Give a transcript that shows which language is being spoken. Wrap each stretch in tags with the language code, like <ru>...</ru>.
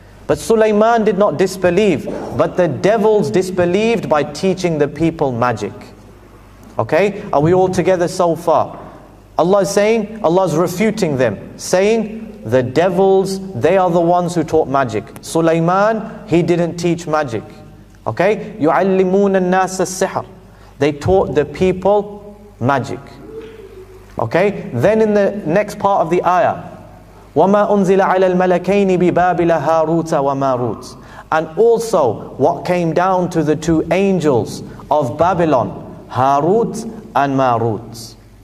<en>But Sulaiman did not disbelieve, but the devils disbelieved by teaching the people magic. Okay, are we all together so far? Allah is saying, Allah's refuting them, saying, the devils, they are the ones who taught magic. Sulaiman, he didn't teach magic.</en> <ar>Okay, يُعَلِّمُونَ النَّاسَ السِّحَرَ.</ar> <en>They taught the people magic. Okay, then in the next part of the ayah,</en> <ar>وَمَا أُنزِلَ عَلَى الْمَلَكَيْنِ بِبَابِلَ هَارُوتَ وَمَارُوتَ.</ar> <en>And also, what came down to the two angels of Babylon, Harut and Marut.</en>